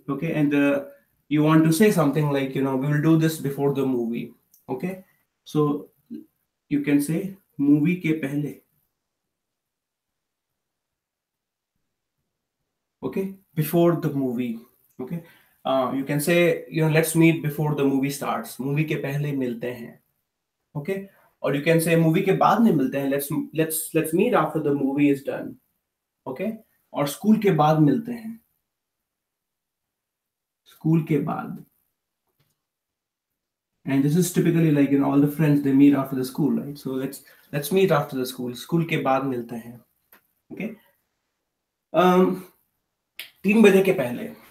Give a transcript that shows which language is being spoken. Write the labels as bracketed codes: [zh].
[en] Okay, and you want to say something like, you know, we will do this before the movie. Okay, so you can say [hi] movie के पहले. [en] Okay, before the movie. Okay, you can say, you know, let's meet before the movie starts. [hi] Movie के पहले मिलते हैं. Okay, और [en] you can say [hi] movie के बाद में मिलते हैं. [en] Let's meet after the movie is done. [hi] Okay, और स्कूल के बाद मिलते हैं. स्कूल के बाद. [en] And this is typically like in all the friends, they meet after the school, right? So let's meet after the school. [hi] School के बाद मिलते हैं. ओके, 3 बजे के पहले.